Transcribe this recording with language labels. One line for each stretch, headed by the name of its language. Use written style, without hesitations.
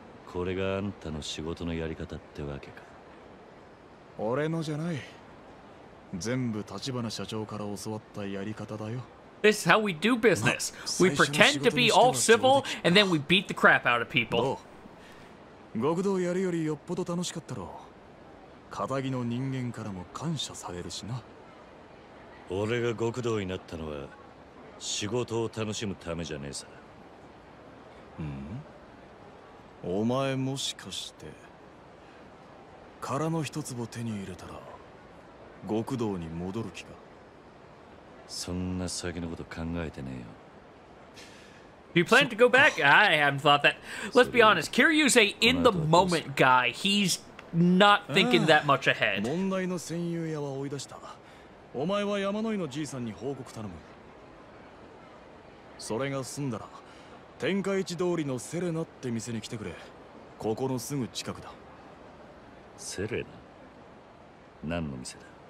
Japanese: これがあんたの仕事のやり方ってわけか。俺のじゃない。全部立花社長から教わったやり方だよ。
English: This is how we do business. We pretend to be all civil, and then we beat the crap out of people.
Japanese: 極道やるよりよっぽど楽しかったろう。片木の人間からも感謝されるしな。俺が極道になったのは仕事を楽しむためじゃねえさ。うん？お前もしかして殻の一粒手に入れたら極道に戻る気か？そんな先のこと考えてねえよ。
English: You plan to go back? I haven't thought that. Let's be honest, Kiryu's a in the moment guy. He's not thinking that much ahead.
Japanese: 問題の占有屋は追い出した。お前は山の井のじいさんに報告頼む。それが済んだら、天下一通りのセレナって店に来てくれ。ここのすぐ近くだ。セレナ？何の店だ？